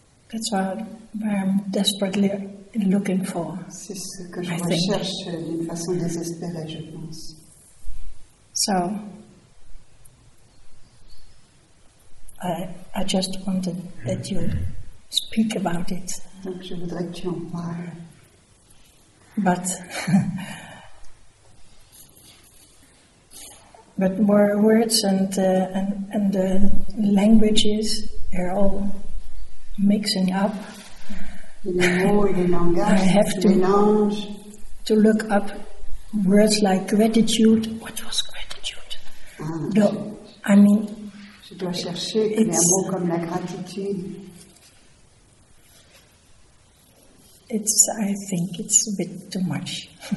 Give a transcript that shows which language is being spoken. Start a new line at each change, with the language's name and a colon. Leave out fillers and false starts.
English: That's what I'm desperately looking for.
French: C'est ce que je recherche d'une façon désespérée, je pense.
English: So, I just wanted that you speak about it.
French: Donc je voudrais que tu en parles.
English: But but more words and the languages, they're all mixing up.
French: Les mots et les langages,
English: I have to look up words like gratitude. What was gratitude?
French: Je dois chercher des mots comme la gratitude.
English: I think it's a bit too much.